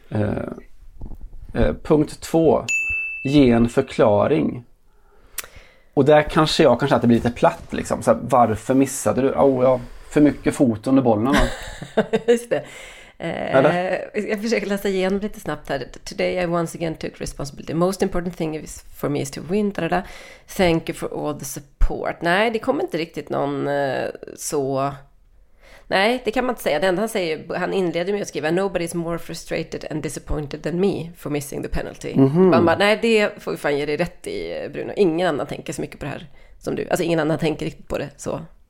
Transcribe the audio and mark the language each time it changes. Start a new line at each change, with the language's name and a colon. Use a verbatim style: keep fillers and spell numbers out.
Swedish: Eh, eh, punkt två, ge en förklaring. Och där kanske jag kanske att det blir lite platt liksom. Så här, varför missade du? Oh, ja. För mycket fot under bollen, va? Just det. Uh, jag försöker läsa igenom lite snabbt här.
English: Today I once again took responsibility. The most important thing is for me is to win. Da, da, da. Thank you for all the support.
Swedish: Nej, det kommer inte riktigt någon uh, så... Nej, det kan man inte säga. Det enda han säger, han inleder med att skriva
English: nobody's more frustrated and disappointed than me for missing the penalty.
Swedish: Mm-hmm. Man bara, nej, det får vi fan ge dig rätt i, Bruno. Ingen annan tänker så mycket på det här som du. Alltså ingen annan tänker riktigt på det så...